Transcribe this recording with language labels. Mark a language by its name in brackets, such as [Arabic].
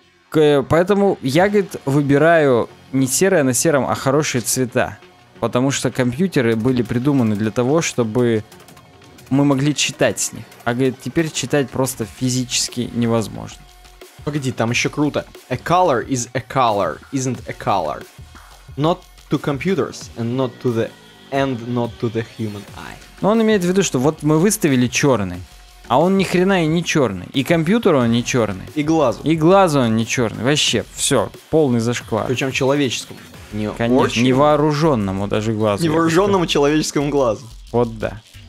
[Russian] Поэтому я, говорит, выбираю не серое на сером, а хорошие цвета. Потому что компьютеры были придуманы для того, чтобы... мы могли читать с них. А, говорит, теперь читать просто физически невозможно. Погоди, там еще круто. [English] A color is a color, isn't a color. Not to computers, and not to the human eye. [Russian] Ну, он имеет в виду, что вот мы выставили черный, а он ни хрена и не черный. И компьютеру он не черный. И глазу. И глазу он не черный. Вообще, все, полный зашквар. Причем человеческому. Не конечно, очень... невооруженному даже глазу. Невооруженному человеческому глазу. Вот да.